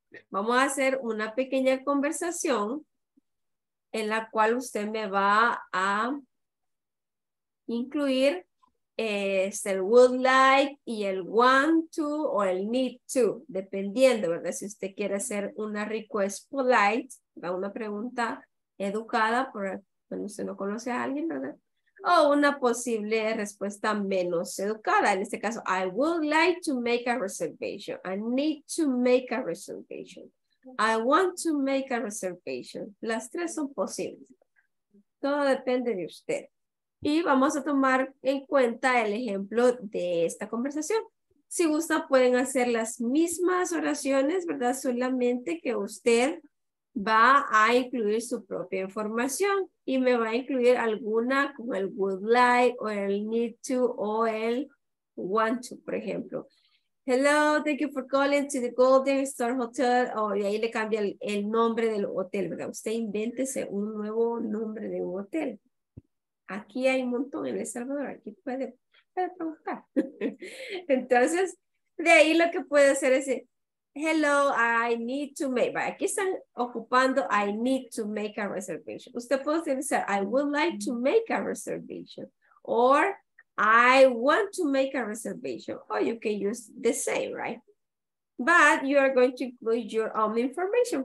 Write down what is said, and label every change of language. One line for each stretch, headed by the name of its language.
Spanish: Vamos a hacer una pequeña conversación en la cual usted me va a incluir el would like y el want to o el need to, dependiendo, ¿verdad? Si usted quiere hacer una request polite, una pregunta educada, cuando usted no conoce a alguien, ¿verdad? O una posible respuesta menos educada. En este caso,
English: I would like to make a reservation. I need to make a reservation. I want to make a reservation.
Spanish: Las tres son posibles. Todo depende de usted. Y vamos a tomar en cuenta el ejemplo de esta conversación. Si gusta, pueden hacer las mismas oraciones, ¿verdad? Solamente que usted va a incluir su propia información y me va a incluir alguna con el would like o el need to o el want to, por ejemplo.
English: Hello, thank you for calling to the Golden Star Hotel.
Spanish: Oh, y ahí le cambia el nombre del hotel, ¿verdad? Usted invéntese un nuevo nombre de un hotel. Aquí hay un montón en El Salvador, aquí puede preguntar. Entonces, de ahí lo que puede hacer es
English: hello, I need to make,
Spanish: aquí están ocupando
English: I need to make a reservation.
Spanish: Usted puede decir
English: I would like to make a reservation or I want to make a reservation, or you can use the same, right? But you are going to include your own information.